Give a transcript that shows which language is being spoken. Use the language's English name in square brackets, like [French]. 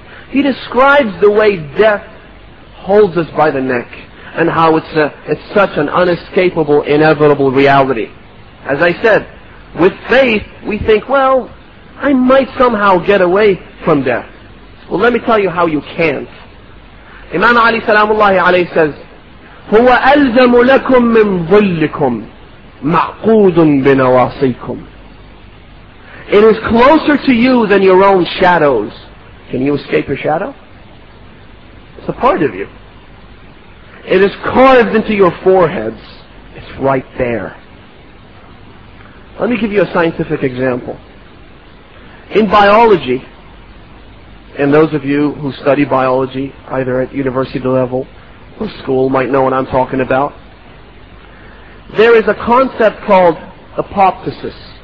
[English] He describes the way death holds us by the neck and how it's such an unescapable, inevitable reality. As I said, with faith, we think, well, I might somehow get away from death. Well, let me tell you how you can't. [Arabic] Imam Ali salamullahi alayhi [English] says, [Arabic] هو ألزم لكم من ظلكم معقود بنواصيكم. [English] It is closer to you than your own shadows. Can you escape your shadow? It's a part of you. It is carved into your foreheads. It's right there. Let me give you a scientific example. In biology, and those of you who study biology, either at university level or school, might know what I'm talking about, there is a concept called apoptosis.